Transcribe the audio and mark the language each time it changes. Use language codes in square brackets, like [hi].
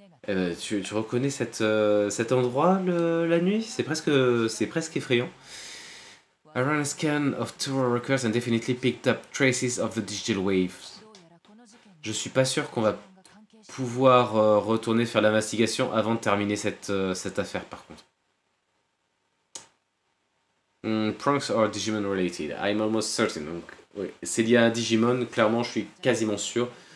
[fr] Eh ben, tu reconnais cet endroit la nuit? C'est presque effrayant. [en] I ran a scan of tour records and definitely picked up traces of the digital waves. [fr] Je suis pas sûr qu'on va pouvoir retourner faire l'investigation avant de terminer cette affaire, par contre. [en] Pranks are Digimon related. I'm almost certain. [fr] Donc, oui. C'est lié à un Digimon, clairement, je suis quasiment sûr.